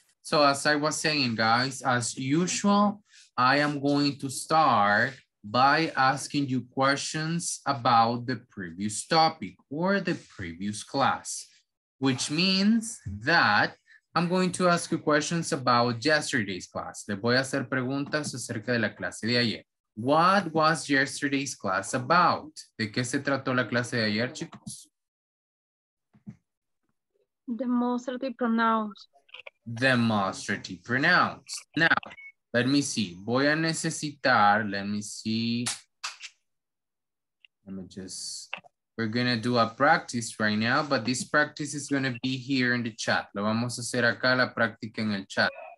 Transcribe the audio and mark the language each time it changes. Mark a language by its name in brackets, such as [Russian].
[English] So as I was saying, guys, as usual, I am going to start by asking you questions about the previous topic or the previous class, which means that I'm going to ask you questions about yesterday's class. [Spanish] Le voy a hacer preguntas acerca de la clase de ayer. [English] What was yesterday's class about? [Spanish] ¿De qué se trató la clase de ayer, chicos? [English] Demonstrative pronouns. Demonstrative pronouns. Now, let me see. [Spanish] Voy a necesitar, [English] let me see. Let me just, we're going to do a practice right now, but this practice is going to be here in the chat. [Spanish] Lo vamos a hacer acá la práctica en el chat.